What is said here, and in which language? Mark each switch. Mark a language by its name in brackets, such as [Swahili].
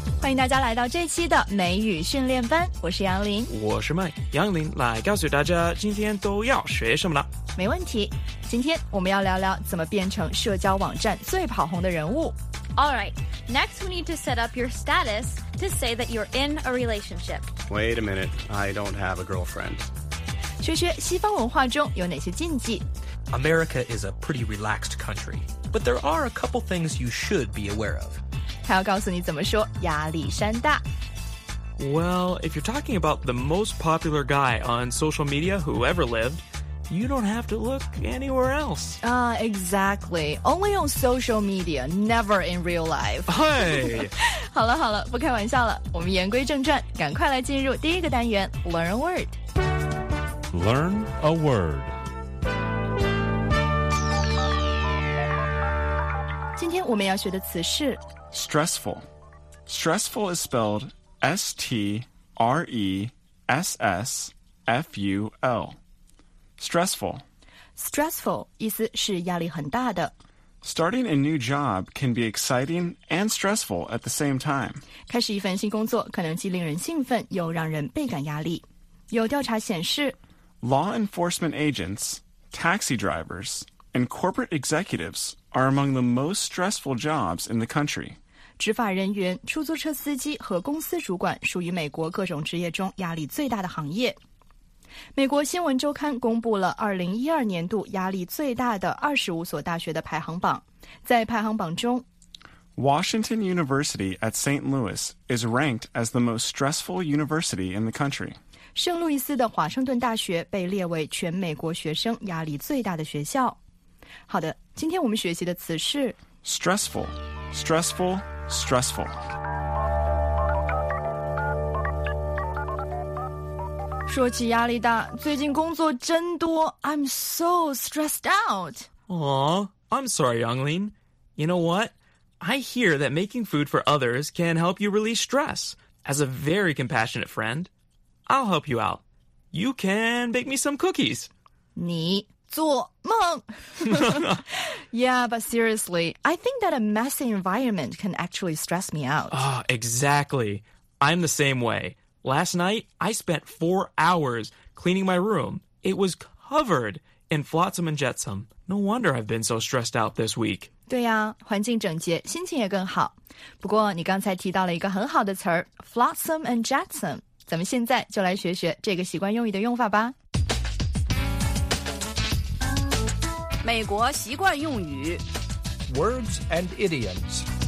[Chinese] 迎大家来到这期的美语训练班，我是杨林，我是麦。杨林来告诉大家今天都要学什么了。没问题，今天我们要聊聊怎么变成社交网站最跑红的人物。 [English] All right, next we need to set up your status to say that you're in a relationship. Wait a minute, I don't have a girlfriend. [Chinese] 学学西方文化中有哪些禁忌。 [English] America is a pretty relaxed country, but there are a couple things you should be aware of. [Chinese] 他要告诉你怎么说亚历山大。 [English] Well, if you're talking about the most popular guy on social media who ever lived, you don't have to look anywhere else. Exactly. Only on social media, never in real life. Hey! [Chinese] 好了好了，不开玩笑了，我们言归正传，赶快来进入第一个单元 Learn a Word. [English] Learn a Word. [Chinese] 今天我们要学的词是 [English] stressful. Stressful is spelled S-T-R-E-S-S-F-U-L. Stressful. [Chinese] Stressful 意思是压力很大的。 [English] Starting a new job can be exciting and stressful at the same time. [Chinese] 开始一份新工作可能既令人兴奋又让人倍感压力。有调查显示 [English] Law enforcement agents, taxi drivers, and corporate executives... are among the most stressful jobs in the country. [Chinese] 执法人员、出租车司机和公司主管属于美国各种职业中压力最大的行业。美国新闻周刊公布了2012年度压力最大的25所大学的排行榜。在排行榜中 [English] Washington University at St. Louis is ranked as the most stressful university in the country. [Chinese] 圣路易斯的华盛顿大学被列为全美国学生压力最大的学校。好的，今天我们学习的词是 [English] stressful, stressful, stressful. [Chinese] 说起压力大，最近工作真多。 [English] I'm so stressed out. Aw, I'm sorry, Yanglin. You know what? I hear that making food for others can help you release stress. As a very compassionate friend, I'll help you out. You can bake me some cookies. [Chinese] 你做梦 [English] Yeah, but seriously, I think that a messy environment can actually stress me out. Exactly. I'm the same way. Last night, I spent 4 hours cleaning my room. It was covered in flotsam and jetsam. No wonder I've been so stressed out this week. [Chinese] 对呀、啊、环境整洁心情也更好。不过你刚才提到了一个很好的词 flotsam and jetsam. 咱们现在就来学学这个习惯用语的用法吧。美国习惯用语 [English] Words and idioms